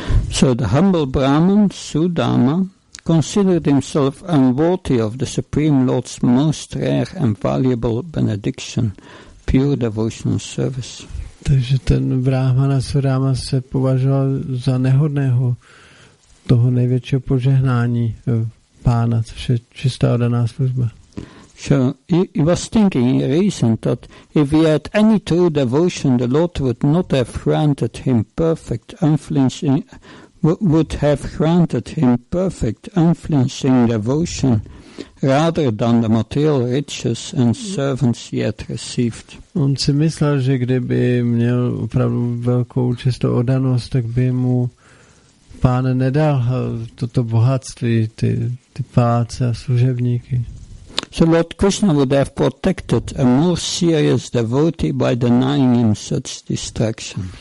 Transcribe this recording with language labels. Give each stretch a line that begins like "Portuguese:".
English: So the humble Brahman Sudama considered himself unworthy of the Supreme Lord's most rare and valuable benediction, pure devotional service.
Czech: Takže ten Brahmana Sudama se považoval za nehodného toho největšího požehnání pána, což je čistá oddaná služba.
English: So he was thinking, he reasoned that if he had any true devotion, the Lord would not have granted him perfect unflinching, would have granted him perfect unflinching devotion rather than the material riches and servants he had received.
Czech: On si myslel, že kdyby měl opravdu velkou čistou oddanost, tak by mu pán nedal toto bohatství, ty páce a služebníky.
English: So Lord Krishna would have protected a more serious devotee by denying him such distraction.